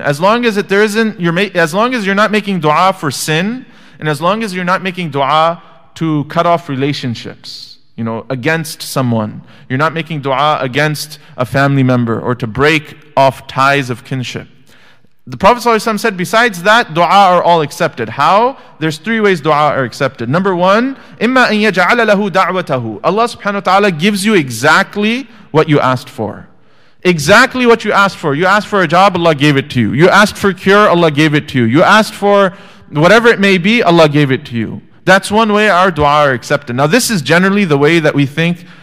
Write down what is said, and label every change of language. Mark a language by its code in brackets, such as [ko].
[en] As long as you're not making dua for sin, and as long as you're not making dua to cut off relationships, you know, against someone, you're not making dua against a family member or to break off ties of kinship. The Prophet ﷺ said, besides that, dua are all accepted. How? There's three ways dua are accepted. Number one, [ar] إِمَّا أَن يَجْعَلَ لَهُ دَعْوَتَهُ. [en] Allah subhanahu wa ta'ala gives you exactly what you asked for. Exactly what you asked for. You asked for a job, Allah gave it to you. You asked for cure, Allah gave it to you. You asked for whatever it may be, Allah gave it to you. That's one way our dua are accepted. Now this is generally the way that we think